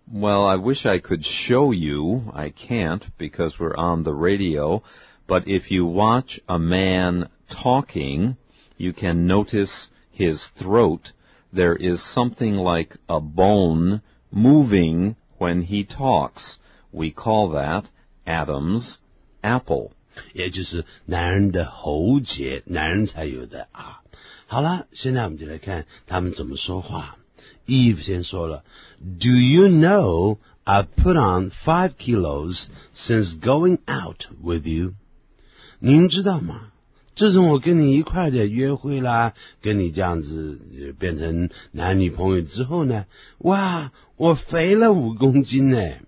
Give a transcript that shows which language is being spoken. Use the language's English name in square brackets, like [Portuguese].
[English] Well I wish I could show you I can't because we're on the radio but if you watch a man talkingYou can notice his throat. There is something like a bone moving when he talks. We call that Adam's apple. [Chinese] 也就是男人的喉结，男人才有的啊。好了，现在我们就来看他们怎么说话。 [English] Eve [Chinese] 先说了 [English] ,Do you know I've put on 5 kilos since going out with you? [Chinese] 您知道吗？自从我跟你一块在约会啦，跟你这样子变成男女朋友之后呢，哇，我肥了5公斤呢。